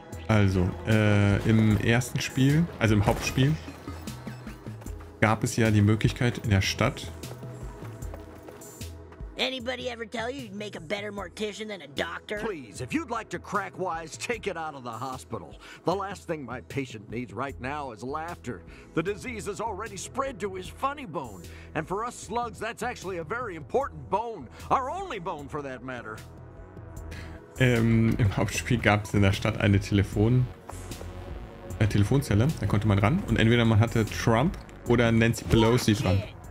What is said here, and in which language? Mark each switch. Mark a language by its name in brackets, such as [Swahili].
[German] Also, im ersten Spiel, also im Hauptspiel, gab es ja die Möglichkeit in der Stadt. [English] Anybody ever tell you you'd make a better mortician than a doctor? Please, if you'd like to crack wise, take it out of the hospital. The last thing my patient needs right now is laughter. The disease has already spread to his funny bone. And for us slugs, that's actually a very important bone. Our only bone for that matter. [German] Im Hauptspiel gab es in der Stadt eine Telefonzelle. Da konnte man ran. Und entweder man hatte Trump oder Nancy Pelosi dran.